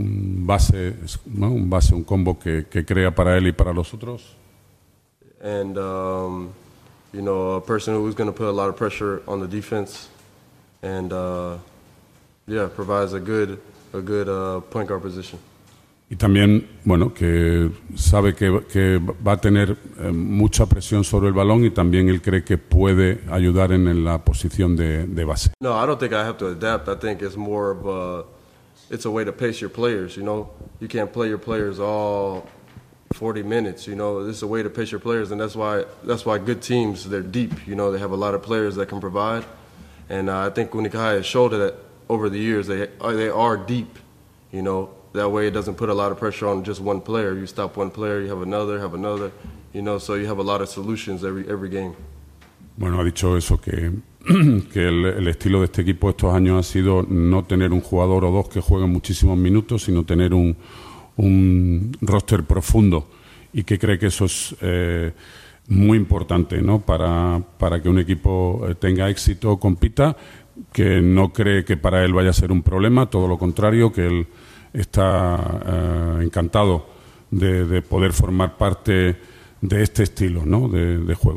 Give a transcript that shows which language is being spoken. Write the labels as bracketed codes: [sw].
[es] Un base, un combo que crea para él y para los otros. [en] And a person who is going to put a lot of pressure on the defense, and provides a good point guard position. [es] Y también, bueno, que sabe que va a tener mucha presión sobre el balón y también él cree que puede ayudar en la posición de base. [en] No, I don't think I have to adapt. I think it's more of a, it's a way to pace your players. You can't play your players all 40 minutes. This is a way to pace your players, and that's why good teams, they're deep. They have a lot of players that can provide, and I think Unicaja has showed that over the years they are deep. That way it doesn't put a lot of pressure on just one player. You stop one player, you have another, so you have a lot of solutions every game. [es] Bueno, ha dicho eso, que el estilo de este equipo estos años ha sido no tener un jugador o dos que jueguen muchísimos minutos, sino tener un roster profundo y que cree que eso es muy importante, ¿no? Para que un equipo tenga éxito, compita, que no cree que para él vaya a ser un problema, todo lo contrario, que él está encantado de poder formar parte de este estilo, ¿no? De juego.